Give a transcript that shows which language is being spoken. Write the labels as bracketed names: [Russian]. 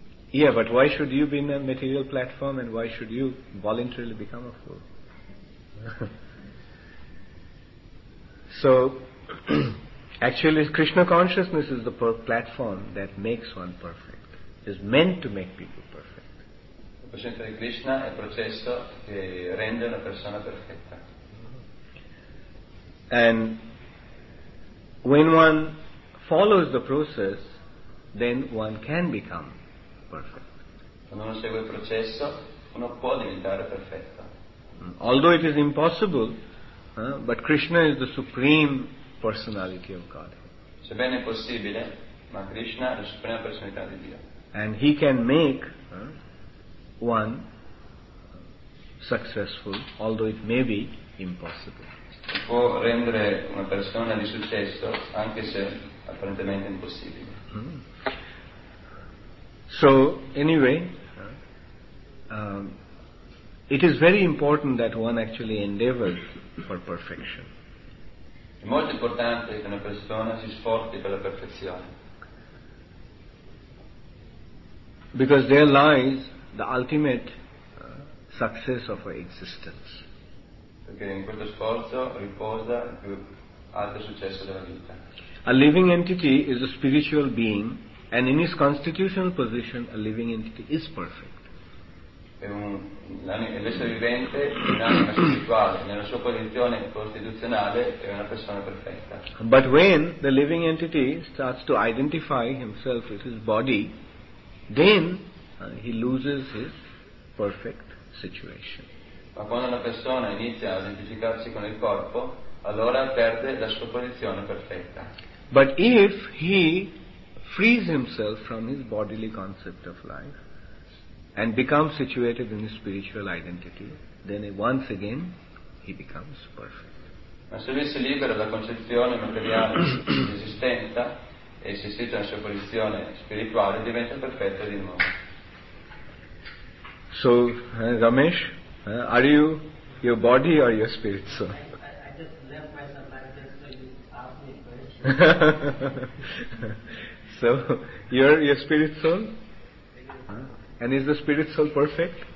[English] Yeah, but why should you be in a material platform, and why should you voluntarily become a fool? So, actually, Krishna consciousness is the platform that makes one perfect. Is meant to make people perfect. [Italian] La coscienza di Krishna è il processo che rende una persona perfetta. [English] And when one follows the process, then one can become perfect. [Italian] Quando uno segue il processo, uno può diventare perfetto. [English] Although it is impossible, but Krishna is the supreme personality of God. [Italian] Sebbene è possibile, ma Krishna è la suprema personalità di Dio. [English] And he can make one successful, although it may be impossible. [Italian] Può rendere una persona di successo anche se apparentemente impossibile. [English] So anyway, it is very important that one actually endeavors for perfection. [Italian] È molto importante che una persona si sforzi per la perfezione. [English] Because there lies the ultimate success of our existence. [Italian] Perché in questo sforzo riposa il più alto successo della vita. [English] A living entity is a spiritual being, and in his constitutional position, a living entity is perfect. [Italian] L'essere vivente in anima spirituale, nella sua posizione costituzionale, è una persona perfetta. [English] But when the living entity starts to identify himself with his body, then he loses his perfect situation. [Italian] Ma quando una persona inizia a identificarsi con il corpo, allora perde la sua posizione perfetta. [English] But if he frees himself from his bodily concept of life and becomes situated in his spiritual identity, then once again he becomes perfect. [Italian] Ma se lui si libera dalla concezione materiale di esistenza e si situa nella sua posizione spirituale, diventa perfetto di nuovo. [English] So, Ramesh, are you your body or your spirit soul? I just left my subject, so you ask me questions. So, you're your spirit soul? And is the spirit soul perfect?